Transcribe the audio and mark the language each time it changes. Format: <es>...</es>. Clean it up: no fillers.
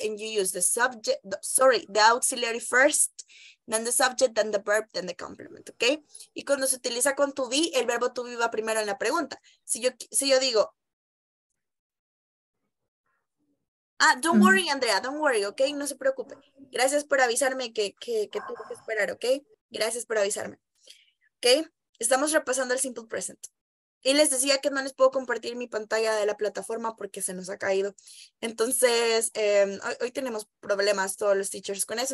<en>And you use the subject, the auxiliary first, then the subject, then the verb, then the complement, okay?</en> <es>Y cuando se utiliza con to be, el verbo to be va primero en la pregunta. Si yo digo,</es> <en>don't worry, Andrea, don't worry, okay?</en> <es>No se preocupe. Gracias por avisarme que tuve que esperar, okay? Gracias por avisarme. Okay? Estamos repasando el simple present. Y les decía que no les puedo compartir mi pantalla de la plataforma porque se nos ha caído. Entonces, hoy tenemos problemas todos los teachers con eso.</es>